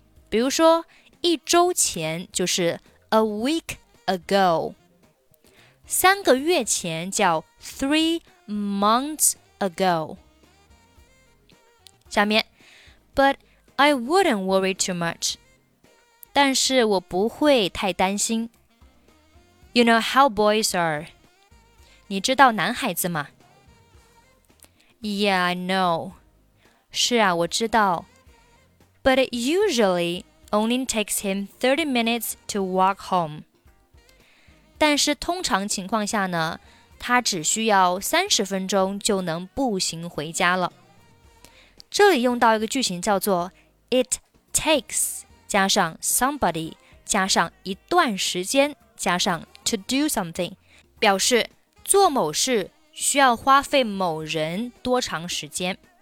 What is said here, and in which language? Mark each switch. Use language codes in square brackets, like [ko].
[zh] 比如说一周前就是 [en] a week ago， [zh] 三个月前叫 [en] three months ago。 [zh] 下面 [en] but I wouldn't worry too much， [zh] 但是我不会太担心。 [en] You know how boys are， [zh] 你知道男孩子吗？ [en] Yeah, I know， [zh] 是啊，我知道。 [en] But usually only takes him 30 minutes to walk home， [zh] 但是通常情况下呢，他只需要30分钟就能步行回家了。这里用到一个句型叫做 [en] It takes [zh] 加上 somebody 加上一段时间加上 [en] to do something， [zh] 表示做某事需要花费某人多长时间。